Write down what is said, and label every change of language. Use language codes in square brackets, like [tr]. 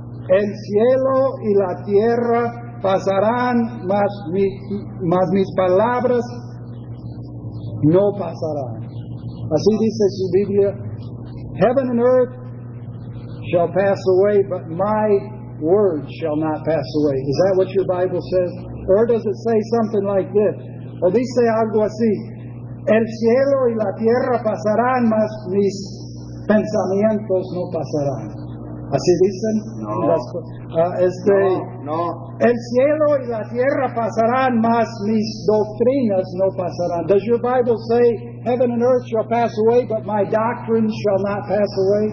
[es] El cielo y la tierra pasarán, mas mis palabras no pasarán. Así dice su Biblia. [en] Heaven and earth shall pass away, but my word shall not pass away. Is that what your Bible says? Or does it say something like this? [es] O dice algo así. El cielo y la tierra pasarán, mas mis pensamientos no pasarán. ¿Así dicen? No. El cielo y la tierra pasarán, mas mis doctrinas no pasarán. [en] Does your Bible say, heaven and earth shall pass away, but my doctrine shall not pass away?